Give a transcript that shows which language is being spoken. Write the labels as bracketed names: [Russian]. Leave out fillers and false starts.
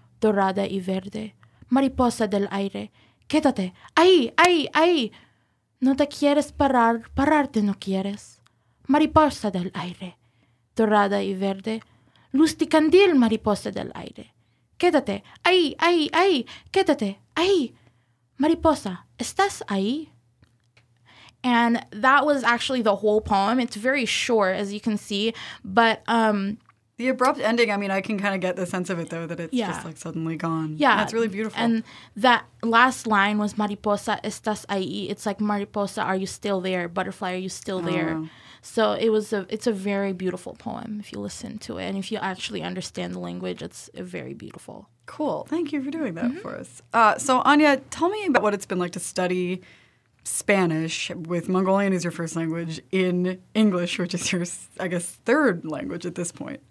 [Spanish] Dorada y verde, mariposa del aire, quédate, ahí, ahí, ahí. No te quieres parar, pararte no quieres. Mariposa del aire, dorada y verde, luz de candil, mariposa del aire. Quédate, ahí, ahí, ahí, quédate, ahí. Mariposa, ¿estás ahí? [English] And that was actually the whole poem. It's very short, as you can see, but The abrupt ending, I mean, I can kind of get the sense of it, though, that it's just, like, suddenly gone. Yeah. That's really beautiful. And that last line was, [Spanish] Mariposa, ¿estás ahí? [English] It's like, Mariposa, are you still there? Butterfly, are you still there? So it's a very beautiful poem, if you listen to it. And if you actually understand the language, it's very beautiful. Cool. Thank you for doing that for us. So, Anya, tell me about what it's been like to study Spanish, with Mongolian as your first language, in English, which is your, I guess, third language at this point.